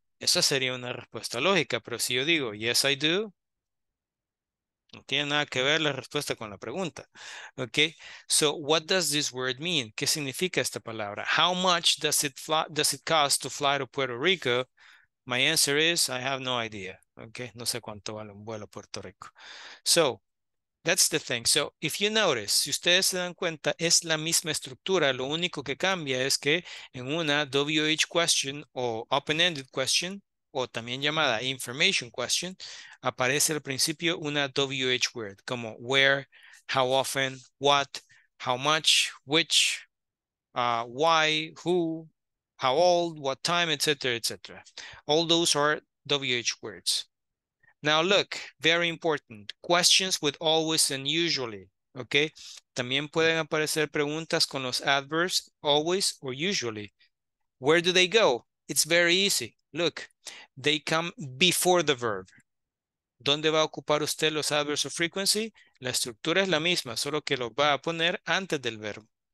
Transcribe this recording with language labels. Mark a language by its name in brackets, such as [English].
[Spanish] Esa sería una respuesta lógica, pero si yo digo, [English] yes, I do, [Spanish] no tiene nada que ver la respuesta con la pregunta. [English] Okay. So what does this word mean? [Spanish] ¿Qué significa esta palabra? [English] How much does it cost to fly to Puerto Rico? My answer is I have no idea. Okay. [Spanish] No sé cuánto vale un vuelo a Puerto Rico. [English] So that's the thing. So if you notice, [Spanish] si ustedes se dan cuenta, es la misma estructura. Lo único que cambia es que en una WH question o open-ended question, o también llamada information question, aparece al principio una WH word, como where, how often, what, how much, which, why, who, how old, what time, etc., etc. [English] All those are WH words. Now look, very important, questions with always and usually, okay? [Spanish] También pueden aparecer preguntas con los adverbs always or usually. [English] Where do they go? It's very easy. Look, they come before the verb. [Spanish] ¿Dónde va a ocupar usted los adverbs of frequency? La estructura es la misma, solo que lo va a poner antes del verbo.